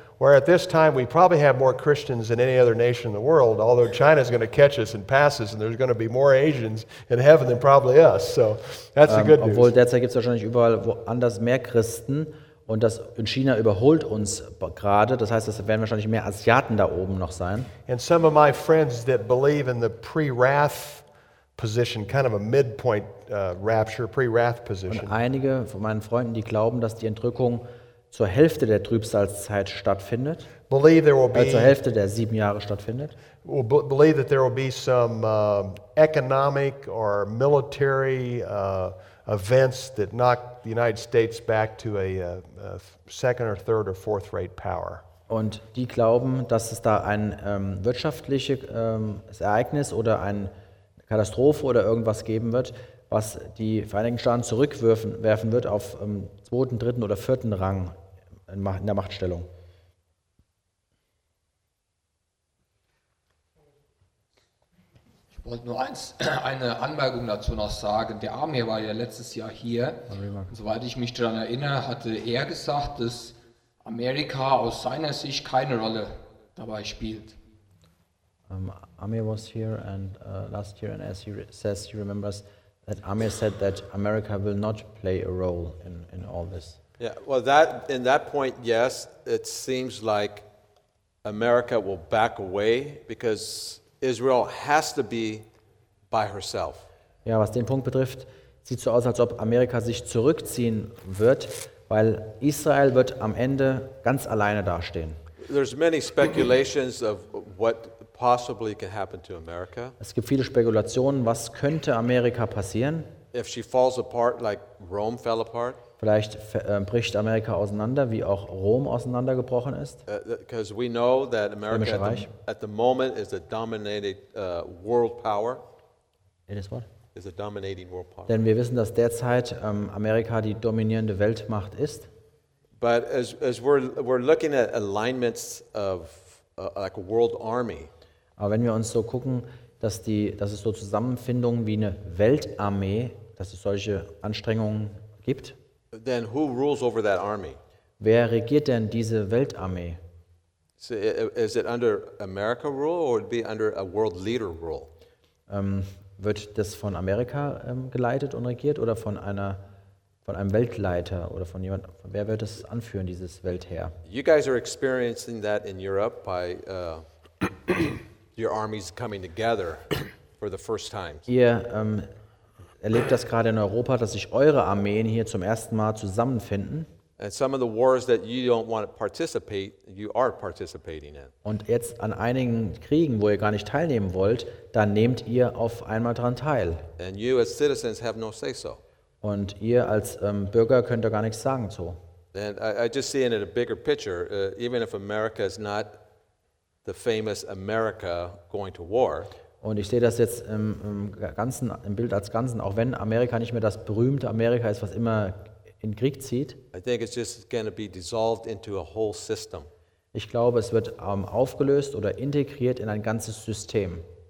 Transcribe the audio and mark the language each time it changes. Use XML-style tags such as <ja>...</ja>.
<en>Where at this time we probably have more Christians than any other nation in the world, although China is going to catch us and pass us, and there's going to be more Asians in heaven than probably us. So that's the good news.</en> <de>Obwohl derzeit gibt es wahrscheinlich überall woanders mehr Christen und das in China überholt uns gerade. Das heißt, es werden wahrscheinlich mehr Asiaten da oben noch sein.</de> <en>And some of my friends that believe in the pre-wrath position, kind of a midpoint rapture, pre-wrath position.</en> <de>Und einige von meinen Freunden, die glauben, dass die Entrückung zur Hälfte der Trübsalzeit stattfindet,</de> <en>believe there will be,</en> <de>zur Hälfte der sieben Jahre stattfindet.</de> <en>Believe that there will be some economic or military events that knock the United States back to a second or third or fourth rate power.</en> <de>Und die glauben, dass es da ein wirtschaftliches Ereignis oder eine Katastrophe oder irgendwas geben wird, was die Vereinigten Staaten zurückwerfen wird auf zweiten, dritten oder vierten Rang in der Machtstellung. Ich wollte nur eine Anmerkung dazu noch sagen. Der Amir war ja letztes Jahr hier. Soweit ich mich daran erinnere, hatte er gesagt, dass Amerika aus seiner Sicht keine Rolle dabei spielt.</de> <en>Amir was here and last year, and as he says, he remembers that Amir said that America will not play a role in all this. Yeah, well, that in that point, yes, it seems like America will back away because Israel has to be by herself.</en> <de>Ja, was den Punkt betrifft, sieht so aus, als ob Amerika sich zurückziehen wird, weil Israel wird am Ende ganz alleine dastehen.</de> <en>There's many speculations of what possibly can happen to America.</en> <de>Es gibt viele Spekulationen, was könnte Amerika passieren?</de> <en>If she falls apart like Rome fell apart.</en> <de>Vielleicht bricht Amerika auseinander, wie auch Rom auseinandergebrochen ist.</de> <en>Because we know that America at the moment is a dominated world power. It is what? Is a dominating world power.</en> <de>Denn wir wissen, dass derzeit Amerika die dominierende Weltmacht ist.</de> <en>But as we're looking at alignments of like a world army.</en> <de>Aber wenn wir uns so gucken, dass es so Zusammenfindungen wie eine Weltarmee, dass es solche Anstrengungen gibt.</de> <en>Then who rules over that army?</en> <de>Wer regiert denn diese Weltarmee?</de> <en>So, is it under America rule or would it be under a world leader rule?</en> <de>Wird das von Amerika geleitet und regiert oder von einem Weltleiter oder von jemand? Wer wird es anführen, dieses Weltheer?</de> <en>You guys are experiencing that in Europe by your armies coming together for the first time.</en> <de>Ihr erlebt das gerade in Europa, dass sich eure Armeen hier zum ersten Mal zusammenfinden.</de> <en>And some of the wars that you don't want to participate, you are participating in.</en> <de>Und jetzt an einigen Kriegen, wo ihr gar nicht teilnehmen wollt, da nehmt ihr auf einmal dran teil.</de> <en>And you as citizens have no say so.</en> <de>Und ihr als Bürger könnt da gar nichts sagen zu.</de> <en>And I just see it in a bigger picture, even if America is not the famous America going to war.</en> <de>Und ich sehe das jetzt im Bild als Ganzen, auch wenn Amerika nicht mehr das berühmte Amerika ist, was immer in Krieg zieht.</de> <en>I think it's just going to be dissolved into a whole system.</en> <de>Ich glaube, es wird aufgelöst oder integriert in ein ganzes System.</de>